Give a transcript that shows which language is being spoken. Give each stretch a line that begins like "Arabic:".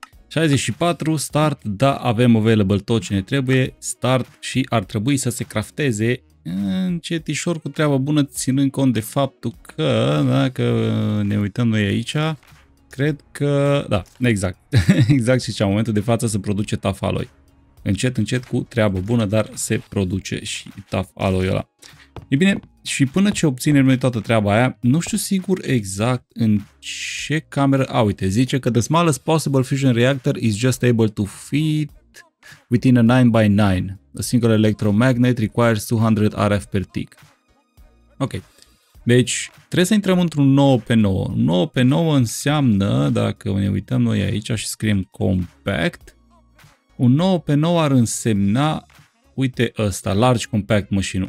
Romanian: 64, start, da, avem available tot ce ne trebuie, start, și ar trebui să se crafteze încetişor cu treabă bună, ținând cont de faptul că, dacă ne uităm noi aici, cred că, da, exact, exact și cea, momentul de față se produce tough alloy. Încet, încet, cu treabă bună, dar se produce și tough alloy-ul ăla. E bine, și până ce obținem noi toată treaba aia, nu știu sigur exact în ce cameră. A, uite, zice că
English: the smallest possible fusion reactor is just able to fit within a 9x9. A single electromagnet requires 200 RF per tick.
Romanian: Ok, deci trebuie să intrăm într-un 9x9. 9x9 înseamnă, dacă ne uităm noi aici și scriem compact, un 9x9 ar însemna, uite ăsta, large compact machine.